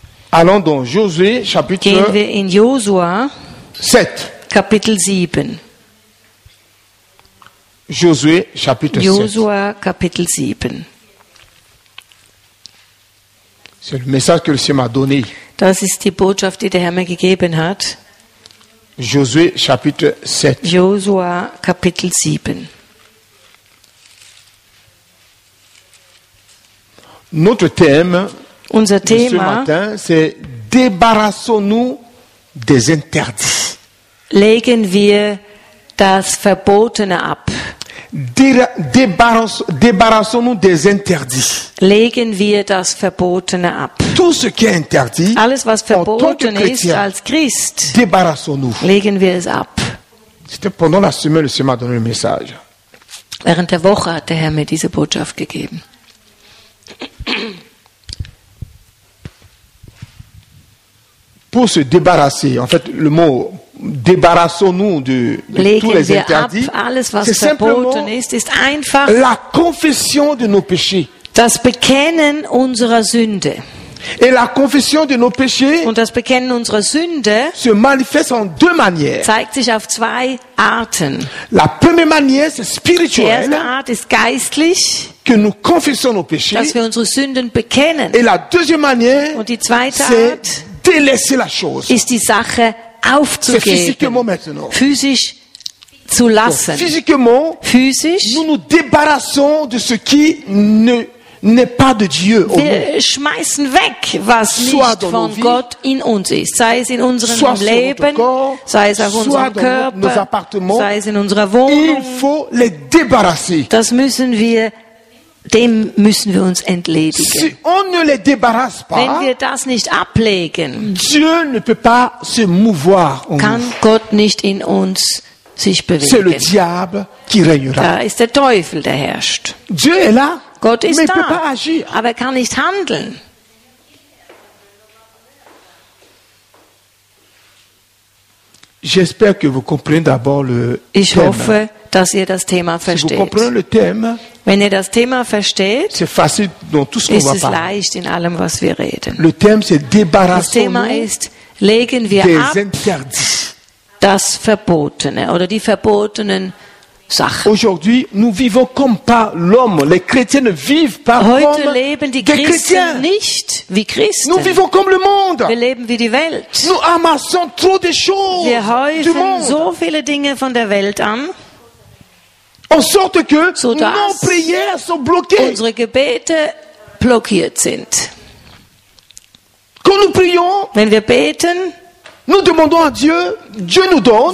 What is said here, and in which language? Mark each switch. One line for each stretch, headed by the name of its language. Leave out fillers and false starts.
French: Allons dans Josué, chapitre
German: gehen wir in Josua
French: 7.
German: Kapitel 7.
French: Josué, chapitre 7.
German: Josua, Kapitel 7.
French: C'est le message que le Seigneur m'a donné.
German: Das ist die Botschaft, die der Herr mir gegeben hat.
French: Josué, chapitre 7.
German: Josua, Kapitel 7.
French: Notre thème,
German: unser Thema,
French: ce matin, c'est débarrassons-nous des interdits.
German: Legen wir das Verbotene ab.
French: Débarrassons-nous des interdits.
German: Legen wir das Verbotene ab.
French: Tout ce qui est interdit,
German: alles, was verboten ist, als Christ,
French: débarrassons-nous.
German: Legen wir es ab.
French: C'était pendant la semaine, le Seigneur m'a donné le message.
German: Während der Woche hat der Herr mir diese Botschaft gegeben.
French: Pour se débarrasser, en fait, le mot débarrassons-nous de tous les interdits,
German: ab, alles, was c'est verboten ist, ist einfach
French: la confession de nos péchés.
German: Das Bekennen unserer Sünde.
French: Et la confession de nos péchés,
German: und das Bekennen unserer Sünde,
French: se manifeste en deux manières.
German: Zeigt sich auf zwei Arten.
French: La première manière, c'est spirituelle.
German: Die erste Art ist geistlich,
French: que nous confessons nos péchés,
German: dass wir unsere Sünden bekennen.
French: Et la deuxième manière,
German: und die zweite
French: c'est
German: Art,
French: délaisser la chose.
German: Ist die Sache aufzugeben. Physisch zu lassen.
French: Donc,
German: physisch,
French: nous nous débarrassons de ce qui ne n'est pas de Dieu.
German: Wir schmeißen weg, was nicht von Gott in uns ist. Sei es in unserem Leben, sei es auf unserem Körper, sei es in unserer Wohnung.
French: Il faut les débarrasser.
German: Das müssen wir, dem müssen wir uns entledigen.
French: Si on ne les débarrasse pas,
German: wenn wir das nicht ablegen,
French: Dieu ne peut pas se mouvoir en
German: kann
French: nous.
German: Gott nicht in uns sich bewegen.
French: C'est le diable qui régnera.
German: Da ist der Teufel, der herrscht.
French: Dieu est là.
German: Gott ist
French: mais
German: da,
French: peut pas agir.
German: Aber er kann nicht handeln.
French: J'espère que vous comprenez d'abord le
German: ich
French: thème.
German: Hoffe, dass ihr das Thema versteht.
French: Si vous comprenez le thème,
German: wenn ihr das Thema versteht,
French: c'est facile dans tout ce
German: ist
French: qu'on va
German: es
French: parler.
German: Leicht in allem, was wir reden.
French: Le thème, c'est débarrassons-nous.
German: Das Thema ist, legen wir ab das Verbotene oder die verbotenen Sachen.
French: Aujourd'hui, nous vivons comme pas l'homme. Les chrétiens ne vivent pas
German: heute
French: comme
German: leben die des Christen chrétiens. Nicht wie Christen.
French: Nous vivons comme le monde.
German: Wir leben wie die Welt.
French: Nous amassons trop de choses
German: wir häufen so viele Dinge von der Welt an.
French: En sorte que nos prières sont bloquées.
German: Unsere Gebete blockiert sind.
French: Quand nous prions,
German: wenn wir beten,
French: nous demandons à Dieu, Dieu nous donne,